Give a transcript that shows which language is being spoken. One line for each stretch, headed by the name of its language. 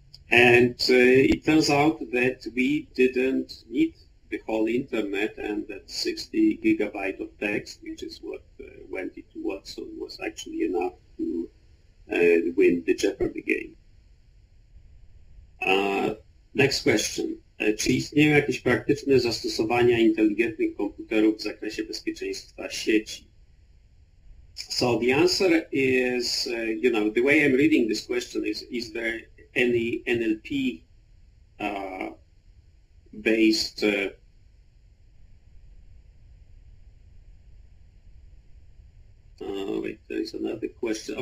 English: And it turns out that we didn't need the whole internet, and that 60 gigabyte of text, which is what went into Watson, was actually enough to win the Jeopardy game. Next question.
Polish: Czy istnieją jakieś praktyczne zastosowania inteligentnych komputerów w zakresie bezpieczeństwa sieci?
English: So the answer is, you know, the way I'm reading this question is there any NLP based wait, there is another question.